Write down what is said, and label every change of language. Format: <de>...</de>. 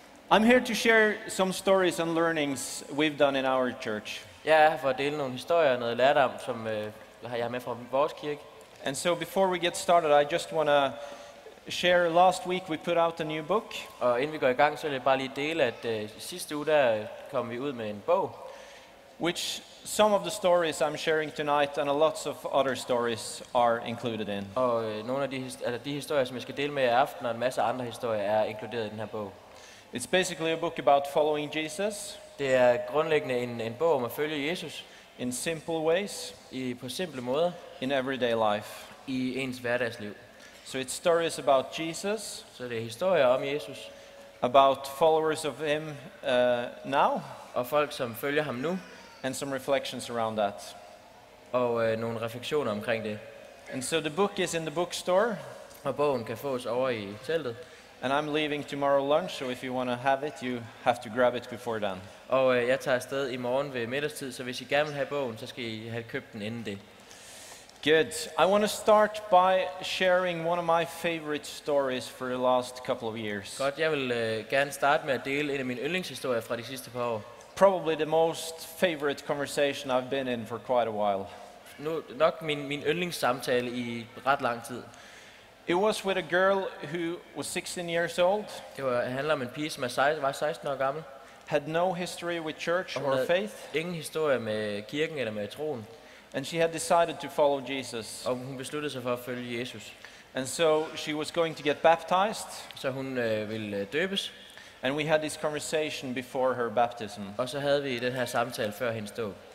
<en>I'm here to share some stories and learnings we've done in our church.</en> <da>Jeg er her for at dele nogle historier og noget lærdom, som jeg har med fra vores kirke.</da> <en>And so before we get started, I just want to share last week we put out a new book.</en> <da>Og inden vi går i gang, så vil jeg bare lige dele, at sidste uge der kom vi ud med en bog.</da> <en>Which some of the stories I'm sharing tonight and a lots of other stories are included in.</en> <da>Og nogle af de historier, som jeg skal dele med i aften, og en masse andre historier, er inkluderet i den her bog.</da> <en>It's basically a book about following Jesus.</en> <da>Det er grundlæggende en bog om at følge Jesus.</da> <en>In simple ways.</en> <da>På simple måder.</da> <en>In everyday life.</en> <da>I ens hverdagsliv.</da> <en>So it's stories about Jesus.</en> <da>Så det er historier om Jesus.</da> <en>About followers of him now.</en> <da>Og folk, som følger ham nu.</da> <en>And some reflections around that.</en> <da>Og nogle refleksioner omkring det.</da> <en>And so the book is in the bookstore.</en> <da>Og bogen kan fås over i teltet.</da> <en>And I'm leaving tomorrow lunch, so if you want to have it, you have to grab it before then.</en> <da>Og jeg tager afsted i morgen ved middagstid, så hvis I gerne vil have bogen, så skal I have købt den inden det.</da> <en>Good. I want to start by sharing one of my favorite stories for the last couple of years.</en> <da>Godt, jeg vil gerne starte med at dele en af mine yndlingshistorier fra de sidste par år.</da> <en>Probably the most favorite conversation I've been in for quite a while.</en> <da>Nu nok min yndlingssamtale i ret lang tid.</da> <en>It was with a girl who was 16 years old.</en> <da>Det handler om en pige, som var 16 år gammel.</da> <en>Had no history with church or faith.</en> <da>Ingen historie med kirken eller med troen.</da> <en>And she had decided to follow Jesus.</en> <da>Og hun besluttede sig for at følge Jesus.</da> <en>And so she was going to get baptized.</en> <da>Så hun ville døbes.</da> <en>And we had this conversation before her baptism.</en> <da>Og så havde vi den her samtale før hendes dåb.</da>